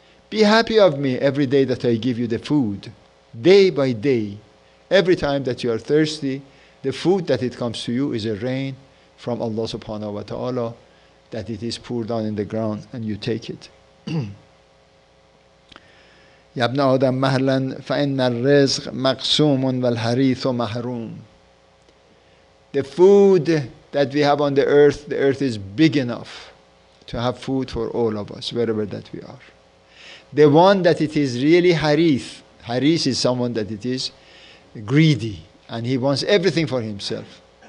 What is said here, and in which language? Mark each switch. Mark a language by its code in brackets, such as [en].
[en] Be happy of me every day that I give you the food, day by day. Every time that you are thirsty, the food that it comes to you is a rain from Allah subhanahu wa ta'ala, that it is poured down in the ground and you take it. [ar] یا ابن آدم مهلا فإن الرزق مقسوم والحریث و محروم. [en] The food that we have on the earth is big enough to have food for all of us, wherever that we are. The one that it is really harith, harith is someone that it is greedy and he wants everything for himself.